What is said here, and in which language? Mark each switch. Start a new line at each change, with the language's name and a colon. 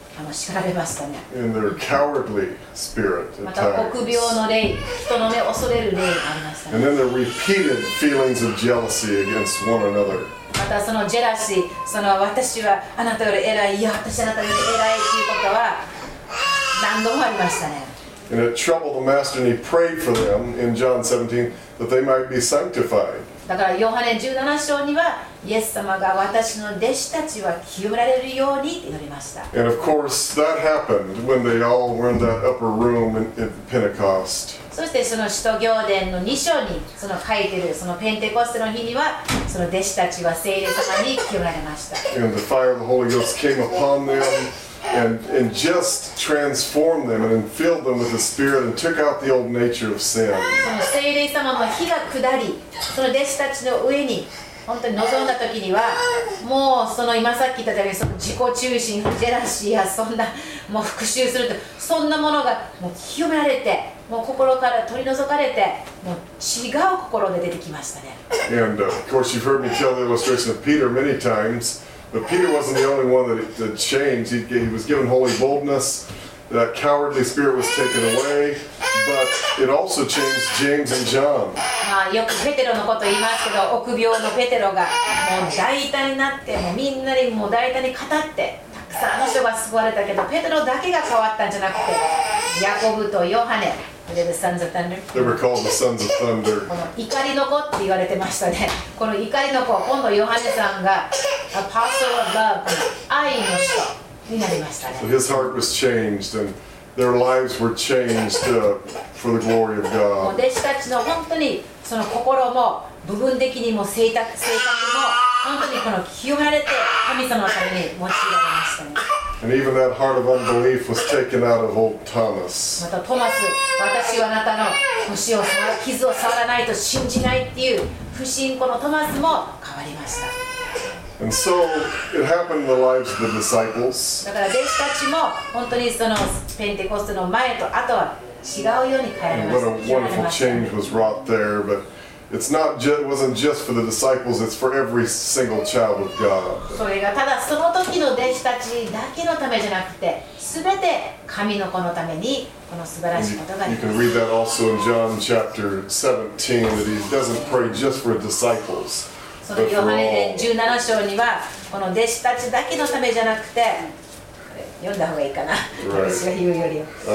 Japanese: 叱られましたね。
English: In their cowardly spirit at times.
Japanese: また臆病の霊、人の目を恐れる霊がありましたね。
English: And then the repeated feelings of jealousy against one another.
Japanese: またそのジェラシー、その私はあなたより偉い、いや私はあなたより偉いということは何度もありましたね。
English: And it troubled the master and he prayed for them in John 17 that they might be sanctified.
Japanese: だからヨハネ17章にはイエス様が私の弟子たちは清められるようにって祈りました。
English: And of course that happened when they all were in that upper room in Pentecost.
Japanese: そしてその使徒行伝の2章にその書いてるそのペンテコステの日にはその弟子たちは聖霊様に清られました。
English: And the fire of the Holy Ghost came upon them. And just transformed them and filled them with the Spirit and took out the old nature of sin.
Japanese: その聖霊様も火が下り、その弟子たちの上に本当に臨んだ時には、もうその今さっき言ったように、その自己中心、ジェラシーやそんな、もう復讐すると、そんなものがもう清められて、もう心から取り除かれて、もう違う心で出てきましたね。
English: And of course you've heard me tell the illustration of Peter many times. But Peter wasn't the only one that had changed. He was given holy boldness. That cowardly spirit was taken away. But it also changed James and John.
Japanese: まあよくペテロのこと言いますけど、臆病のペテロがもう大胆になって、もうみんなにもう大胆に語って、たくさんの人が救われたけど、ペテロだけが変わったんじゃなくて、ヤコブとヨハネ。
English: They were called the sons of thunder.
Japanese: この怒りの子って言われてましたね。この怒りの子、今度ヨハネさんが
English: apostle of love,
Japanese: 愛の使徒になりましたね。
English: So his heart was changed and their lives were changed for the glory of God.
Japanese: 弟子たちの本当にその心も部分的にも性格も本当にこの清められて神様のために用いられましたね。
English: And even that heart of unbelief was taken out of old Thomas.
Japanese: またトマス、私はあなたの傷を触らないと信じないっていう不信仰のトマスも変わりました。
English: And so it happened in the lives of the disciples.
Japanese: だから弟子たちも本当にそのペンテコステの前と後は違うように変わりました。
English: What a wonderful change was wrought there, but it's not just, it wasn't just for the disciples, it's for every single child of God.
Japanese: それがただその時の弟子たちだけのためじゃなくて、すべて神の子のためにこの素晴らしいことが。
English: You can read that also in John chapter 17, that he doesn't pray just for disciples, but for all.
Japanese: ヨハネ17章にはこの弟子たちだけのためじゃなくて、読んだ方がいいかな、私が言うよりは。